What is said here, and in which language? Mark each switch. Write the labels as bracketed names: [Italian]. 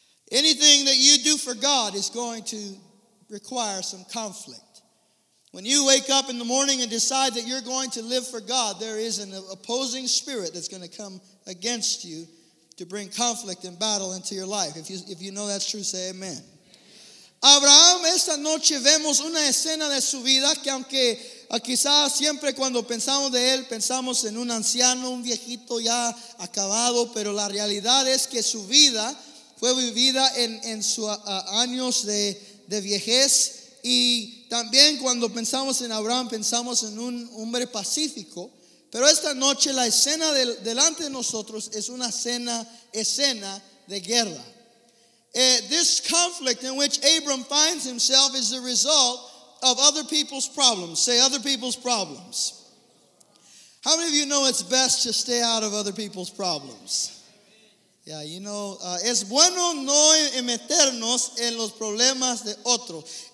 [English] Anything that you do for God is going to require some conflict. When you wake up in the morning and decide that you're going to live for God, there is an opposing spirit that's going to come against you to bring conflict and battle into your life. If you know that's true, say amen. [Spanish] Abraham, esta noche vemos una escena de su vida que aunque quizás siempre cuando pensamos de él, pensamos en un anciano, un viejito ya acabado, pero la realidad es que su vida fue vivida en sus años de vejez y También cuando pensamos en Abraham, pensamos en un hombre pacífico. Pero esta noche la escena delante de nosotros es una escena de guerra. [English] This conflict in which Abram finds himself is the result of other people's problems. Say other people's problems. How many of you know it's best to stay out of other people's problems? [Spanish] Yeah, you know, es bueno no meternos en los problemas de otros.